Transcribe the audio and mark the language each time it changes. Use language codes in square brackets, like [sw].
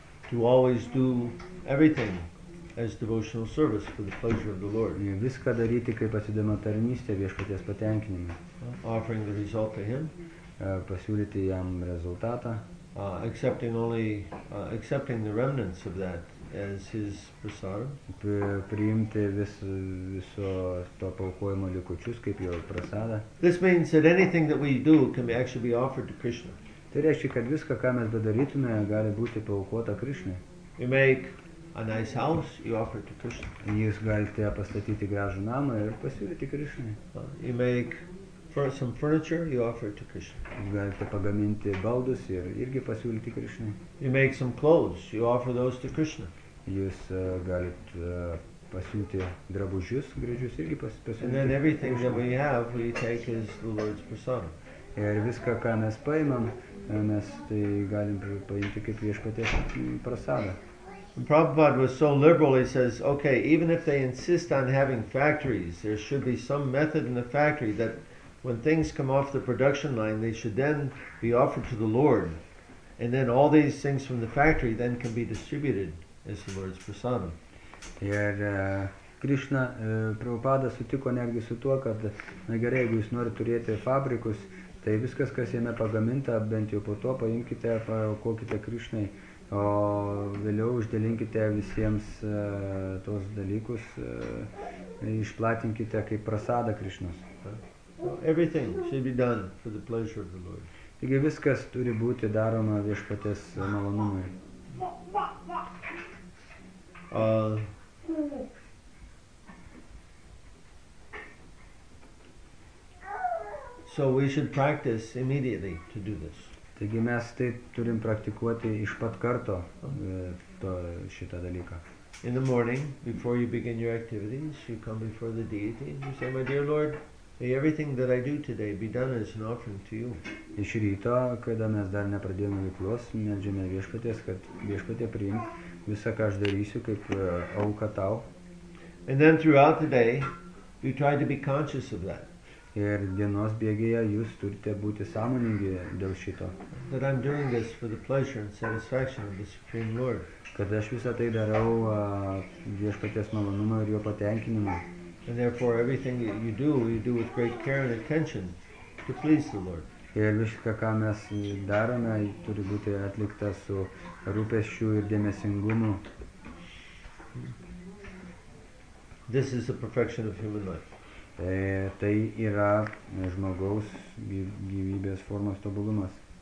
[en] To always do everything as devotional service for the pleasure of the Lord. [lt] Viską daryti kaip atsidavimą tarnystę viešpaties patenkinimui. [en] Offering the result to him. [lt] Pasiūlyti jam rezultatą. [en] Accepting the remnants of that as his prasadam. [lt] Priimti viso to paukojimo likučius kaip jo prasadą. [en] This means that anything that we do can actually be offered to Krishna. [lt] Tai reiškia, kad viską, ką mes bedarytume, gali būti paukota Krishna. [en] You make a nice house, you offer it to Krishna. [lt] Jūs galite pastatyti gražų namą ir pasiūlyti Krishna. [en] You make for some furniture, you offer it to Krishna. [lt] Galite pagaminti baldus ir irgi pasiūlyti Krishna. [en] You make some clothes, you offer those to Krishna. [lt] Jūs galite pasiūlyti drabužius, gražius irgi pasiūlyti. [en] And then everything that we have, we take as the Lord's prasadam. [lt] Ir viską, ką mes paimam, mes tai galim paimti kaip viešpaties prasadą. [en] And Prabhupada was so liberal, he says, okay, even if they insist on having factories, there should be some method in the factory that when things come off the production line, they should then be offered to the Lord. And then all these things from the factory then can be distributed as the Lord's prasadam. [lt] Ir Krishna, Prabhupada sutiko netgi su tuo, kad na gerai, jeigu jūs norite turėti fabrikus, tai viskas, kas jame pagaminta, bent jau po to paimkite, paukokite Krishnai, o vėliau uždelinkite visiems tos dalykus, išplatinkite kaip prasadą Krishnos. [en] Everything should be done for the pleasure of the Lord. [lt] Taigi viskas turi būti daroma viešpaties malonumui. [en] So we should practice immediately to do this. [lt] Taigi mes tai turim praktikuoti iš pat karto to šitą dalyką. [en] In the morning, before you begin your activities, you come before the deity and you say, my dear Lord, may everything that I do today be done as an offering to you. [lt] Iš ryto, kada mes dar nepradėjome veiklos, meldžiame viešpaties, kad viešpatie priim visą, ką aš darysiu, kaip auką tau. [en] And then throughout the day, you try to be conscious of that. [lt] Ir dienos bėgėje jūs turite būti sąmoningi dėl šito. [en] That I'm doing this for the pleasure and satisfaction of the Supreme Lord. [lt] Kad aš visą tai darau viešpaties malonumą ir jo patenkinimą. [en] And therefore everything that you do with great care and attention to please the Lord. [lt] Ir viską, ką mes darome, turi būti atlikta su rūpesčiu ir dėmesingumu. [en] This is the perfection of human life. [lt] Tai yra žmogaus gyvybės formos tobulumas.